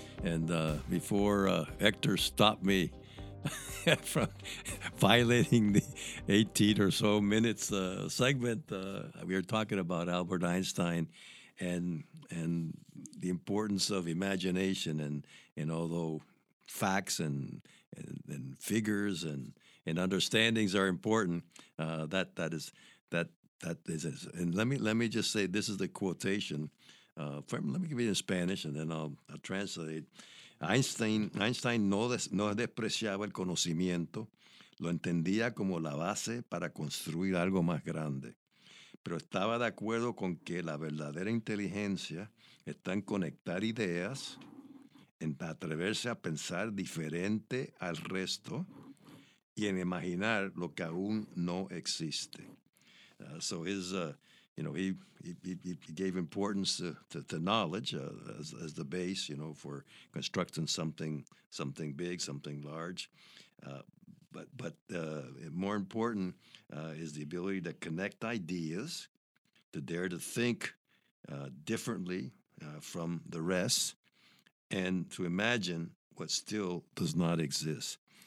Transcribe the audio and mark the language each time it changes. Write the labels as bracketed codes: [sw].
[en] And before Hector stopped me from violating the 18 or so minutes segment, we were talking about Albert Einstein and the importance of imagination. And although facts and figures and understandings are important, that is. And let me just say, this is the quotation. Let me give it in Spanish, and then I'll translate. [es] Einstein no despreciaba el conocimiento, lo entendía como la base para construir algo más grande, pero estaba de acuerdo con que la verdadera inteligencia está en conectar ideas, en atreverse a pensar diferente al resto y en imaginar lo que aún no existe. [en] He gave importance to knowledge as the base, you know, for constructing something big, something large. But more important is the ability to connect ideas, to dare to think differently from the rest, and to imagine what still does not exist.